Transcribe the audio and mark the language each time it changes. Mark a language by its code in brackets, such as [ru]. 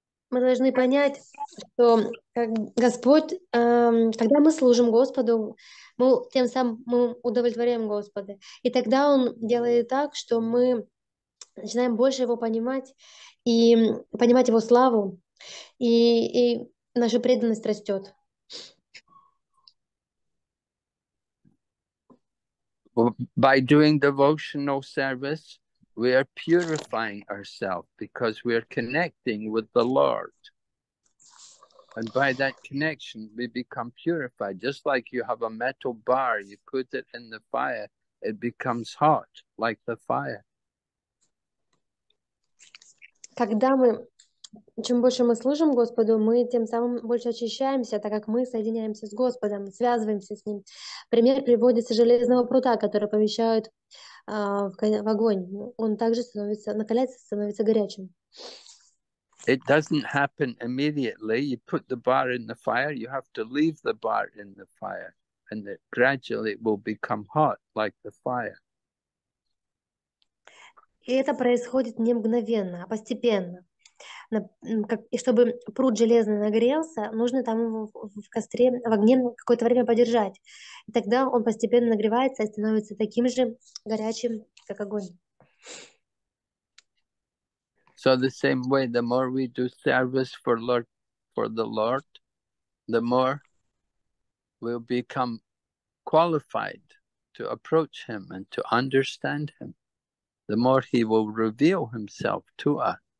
[ru] Мы должны понять, что Господь, когда мы служим Господу, мы тем самым мы удовлетворяем Господа. И тогда Он делает так, что мы начинаем больше Его понимать и понимать Его славу, и наша преданность растет. [en] By doing devotional service, we are purifying ourselves because we are connecting with the Lord. And by that connection, we become purified. Just like you have a metal bar, you put it in the fire, it becomes hot, like the fire. [ru] Когда мы, чем больше мы служим Господу, мы тем самым больше очищаемся, так как мы соединяемся с Господом, связываемся с Ним. Пример приводится железного прута, который помещают в огонь. Он также становится, накаляется, становится горячим. [en] It doesn't happen immediately. You put the bar in the fire, you have to leave the bar in the fire, and it gradually will become hot, like the fire. [ru] И это происходит не мгновенно, а постепенно. И чтобы прут железный нагрелся, нужно там его в костре, в огне какое-то время подержать. И тогда он постепенно нагревается и становится таким же горячим, как огонь. [en] So the same way, the more we do service for the Lord, the more we'll become qualified to approach Him and to understand Him. The more He will reveal Himself to us.